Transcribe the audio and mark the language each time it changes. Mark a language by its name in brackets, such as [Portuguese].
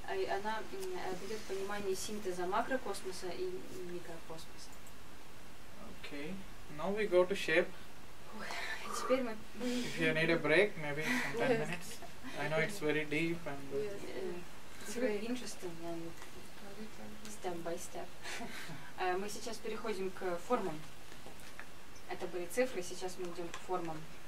[Russian] Она дает понимание синтеза макрокосмоса и микрокосмоса. [English] Okay, now we go to shape. [Russian] Теперь мы. [English] If you need a break, maybe some 10 minutes. I know it's very deep and. It's very interesting and step by step. [Russian] Мы сейчас переходим к формам. Это были цифры, сейчас мы идем к формам.